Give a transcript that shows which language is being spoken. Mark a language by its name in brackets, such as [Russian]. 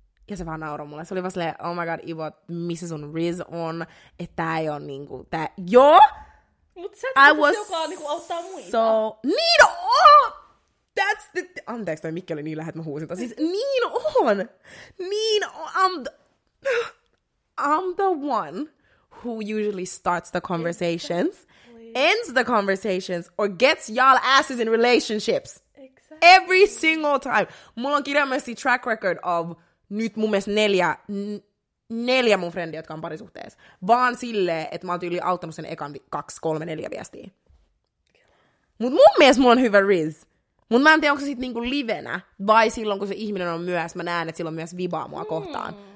[Finnish] Ja se vaan nauroi mulle. Se oli vaan silleen, [English] oh my god, [Finnish] Ivo, missä sun Riz on? Että tää ei oo niinku, tää, joo! Mut sä et tullut, joka niinku auttaa muita. [English] So, [Finnish] niin on! [English] That's the... [Finnish] Anteeksi, toi mikki oli niin lähet, mä huusin. Siis niin on! Niin on! [English] I'm the one who usually starts the conversations, exactly. Ends the conversations, or gets y'all asses in relationships. Exactly. Every single time. [Finnish] Mulla on kirjaimellisesti [English] track record of [Finnish] nyt mun mielestä neljä mun frendiä, jotka on parisuhteessa. Vaan silleen, että mä oon tyyli auttanut sen ekan 2, 3, 4 viestiä. Mut mun mielestä mulla on hyvä Riz. Mut mä en tiedä, onko se sit niinku livenä, vai silloin, kun se ihminen on myös, mä näen, että sillä on myös vibaa mua kohtaan.